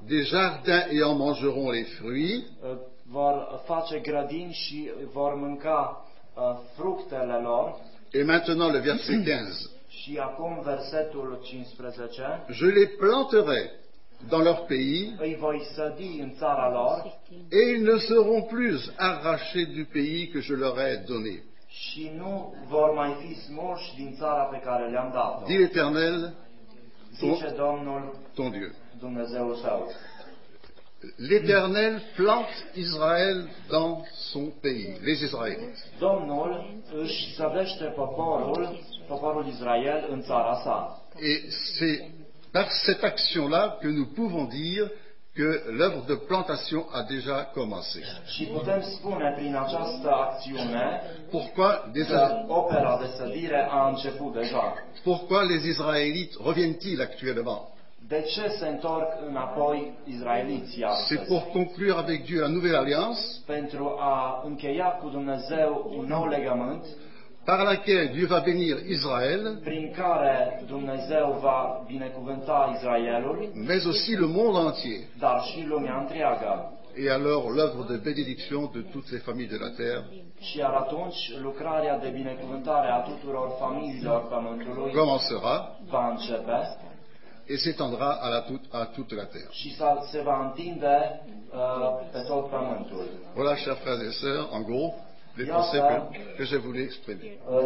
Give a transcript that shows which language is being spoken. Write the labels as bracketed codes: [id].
[fr] des jardins et en mangeront les fruits. [ro] Vor face grădini și vor mânca fructele lor. [fr] Et maintenant le verset 15. [ro] Și acum versetul 15. [fr] Je les planterai dans leur pays, [ro] îi voi sădi în țara lor, [fr] et ils ne seront plus arrachés du pays que je leur ai donné. [ro] Și nu vor mai fi smulși din țara pe care le-am dat-o. [fr] Dit l'Éternel, [ro] Domnul, [fr] ton Dieu. [ro] Dumnezeul său. [fr] L'Éternel plante Israël dans son pays, les Israélites. [ro] Domnul își sădește poporul, poporul Israel în țara sa. [fr] Et c'est par cette action-là que nous pouvons dire que l'œuvre de plantation a déjà commencé. [ro] Și putem spune prin această acțiune, [fr] pourquoi déjà [ro] opera de sădire a început deja? [fr] Pourquoi les Israélites reviennent-ils actuellement? [ro] De ce se întorc înapoi israeliții astăzi? [fr] C'est pour conclure avec Dieu une nouvelle alliance, [ro] pentru a încheia cu Dumnezeu un nou legământ, [fr] par laquelle Dieu va bénir Israël, [ro] prin care Dumnezeu va binecuvânta Israelul, [fr] mais aussi le monde entier, [ro] dar și lumea întreagă. [fr] Et alors l'œuvre de bénédiction de toutes les familles de la terre, [ro] și atunci lucrarea de binecuvântare a tuturor familiilor pământului, [fr] commencera, [ro] va începe, [fr] et s'étendra à toute la terre. [ro] Și se va întinde pe tot pământul. [fr] Voilà, chers frères et sœurs, en gros, les pensées que j'ai voulu exprimer.